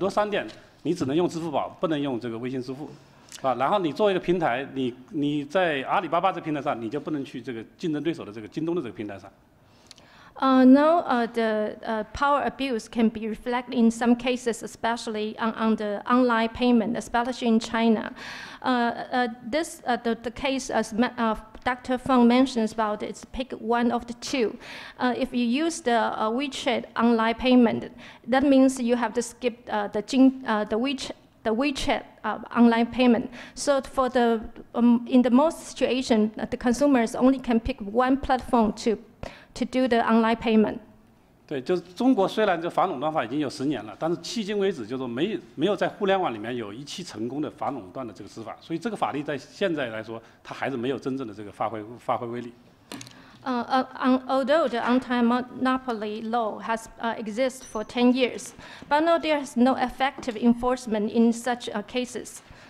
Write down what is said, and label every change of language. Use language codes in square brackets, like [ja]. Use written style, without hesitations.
[zh] 比如说这个目前很多滥用的这个一些迹象，比如说你在杭州，你很多商店你只能用支付宝，不能用这个微信支付。然后你作为一个平台，你在阿里巴巴这平台上，你就不能去这个竞争对手的这个京东的这个平台上。 [en] Now the power abuse can be reflected in some cases, especially on the online payment, especially in China. This is the case as Dr. Feng mentions about it's pick one of the two. If you use the WeChat online payment, that means you have to skip the WeChat online payment. So for the in the most situation, the consumers only can pick one platform to do the online payment. [zh] 对，就是中国虽然这反垄断法已经有10年了，但是迄今为止就是没有在互联网里面有一期成功的反垄断的这个执法，所以这个法律在现在来说，它还是没有真正的这个发挥威力。 [en] Although the anti-monopoly law has exist for 10 years, but now there is no effective enforcement in such cases.